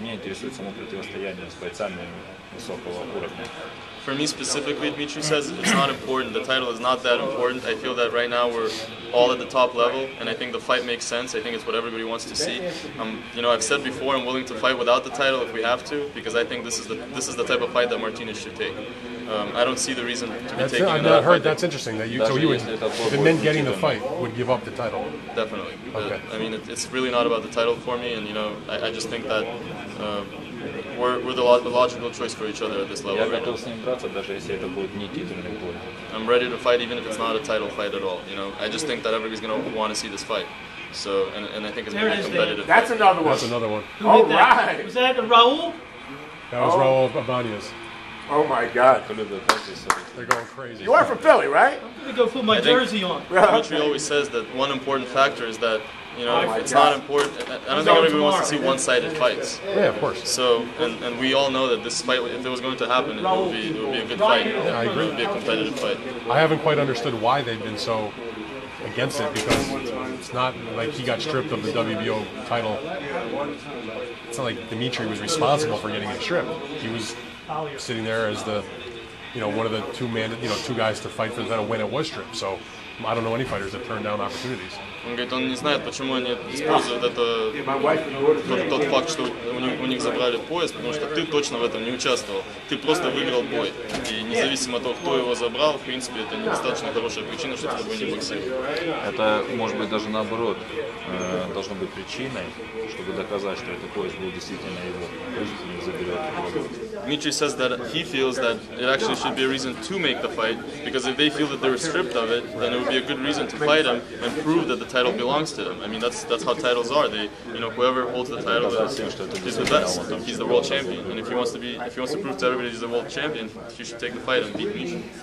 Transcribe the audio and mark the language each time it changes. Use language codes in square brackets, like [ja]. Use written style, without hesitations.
[ru] Меня интересует само противостояние с бойцами высокого уровня. [en] For me specifically, Dmitry says it's not important. The title is not that important. I feel that right now we're all at the top level, and I think the fight makes sense. I think it's what everybody wants to see. You know, I've said before, I'm willing to fight without the title if we have to, because I think this is the type of fight that Martinez should take. I don't see the reason to be taking another. I've heard that's interesting. That you, so you would, if it meant getting the fight, would give up the title. Definitely. Okay. I mean, it's really not about the title for me, and you know, I just think that. We're the logical choice for each other at this level. [ru] Я готов с ним драться, даже если это будет не титульный бой. [en] I'm ready to fight even if it's not a title fight at all. You know, I just think that everybody's gonna want to see this fight. So, and I think it's gonna be competitive. That's another one. Who all right. Was that Raul? That was Raul Abanias. Oh my God. They're going crazy. You are from Philly, right? I'm gonna go put my jersey on. Dmitry always says that one important factor is that. You know, it's not important. I don't think anybody wants to see one-sided fights. Yeah, of course. So, and we all know that this fight, if it was going to happen, it would be a good fight. Yeah, I agree. It would be a competitive fight. I haven't quite understood why they've been so against it, because it's not like he got stripped of the WBO title. It's not like Dmitry was responsible for getting it stripped. He was sitting there as the, you know, one of the two guys to fight for the title when it was stripped. So. I don't know any fighters that turn down opportunities. [ru] Он говорит, он не знает, почему они используют тот факт, что у них забрали пояс, потому что ты точно в этом не участвовал. Ты просто выиграл бой. И независимо от того, кто его забрал, в принципе, это недостаточно хорошая причина, чтобы с тобой не боксировать. Это, может быть, даже наоборот, должно быть причиной, чтобы доказать, что этот пояс был действительно его. [en] Dmitry says that he feels that it actually should be a reason to make the fight, because if they feel that they're stripped of it, then it would be a good reason to fight him and prove that the title belongs to them. I mean, that's how titles are. They, you know, whoever holds the title is the best. He's the world champion, and if he wants to prove to everybody he's the world champion, he should take the fight and beat Dmitry.